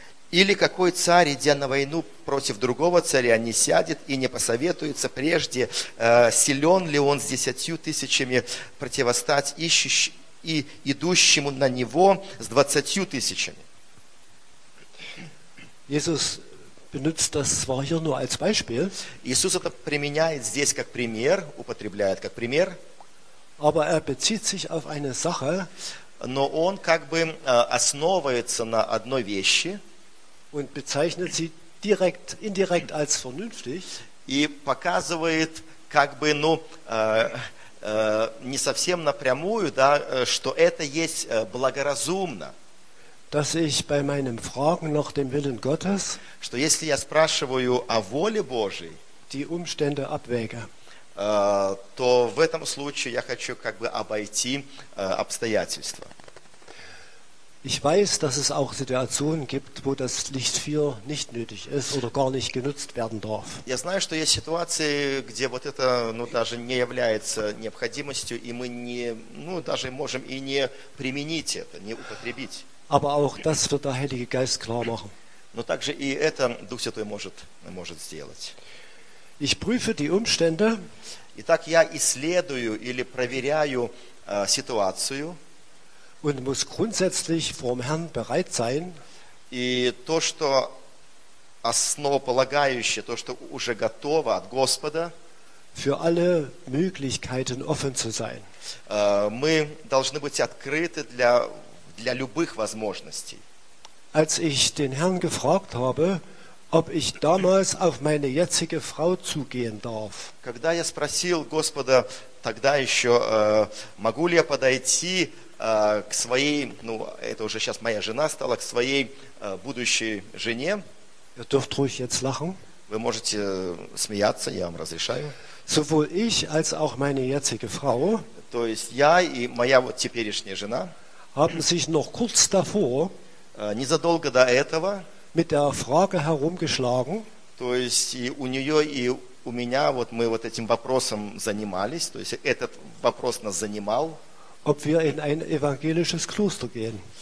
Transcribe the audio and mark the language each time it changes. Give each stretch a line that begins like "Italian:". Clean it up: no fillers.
Russian: Или какой царь, идя на войну против другого царя, не сядет и не посоветуется прежде, силен ли он с 10 тысячами противостать идущему на него с 20 тысячами?
German: Иисус benutzt das zwar hier nur als Beispiel.
Russian: Иисус это применяет здесь как пример, употребляет как пример.
German: Aber bezieht sich auf eine Sache.
Russian: Но он как бы основывается на одной вещи.
German: Und bezeichnet sie direkt, indirekt als vernünftig.
Russian: И показывает как бы, ну, не совсем напрямую, да, что это есть благоразумно.
German: Dass ich bei meinen Fragen nach dem Willen Gottes,
Russian: что если я спрашиваю о воле Божьей,
German: die Umstände abwäge,
Russian: то в этом случае я хочу как бы обойти обстоятельства.
German: Ich weiß, dass es auch Situationen gibt, wo das Licht 4 nicht nötig ist oder gar nicht genutzt werden darf.
Russian: Я знаю, что есть ситуации, где вот это, ну, даже не является необходимостью, и мы не, ну, даже можем и не применить это, не употребить.
German: Aber auch das wird der Heilige Geist klar machen.
Russian: Но также и это Дух Святой может сделать.
German: Ich prüfe die Umstände.
Russian: Итак, я исследую или проверяю ситуацию.
German: Und muss grundsätzlich vor dem Herrn bereit sein.
Russian: И то, что основополагающее, то, что уже готово от Господа,
German: für alle Möglichkeiten offen zu sein.
Russian: Мы должны быть открыты для любых возможностей.
German: Als ich den Herrn gefragt habe, ob ich damals auf meine jetzige Frau zugehen darf.
Russian: Когда я спросил Господа, тогда еще, могу ли я подойти к своей, ну, это уже сейчас моя жена стала, к своей будущей жене.
German: Ihr dürft ruhig jetzt lachen.
Russian: Вы можете смеяться, я вам разрешаю.
German: Sowohl ich als auch meine jetzige Frau,
Russian: то есть я и моя вот теперешняя жена,
German: haben sich noch kurz davor,
Russian: незадолго до этого,
German: mit der Frage herumgeschlagen,
Russian: то есть и у нее, и у меня, вот мы вот этим вопросом занимались, то есть этот вопрос нас занимал,
German: ob wir in ein evangelisches Kloster gehen.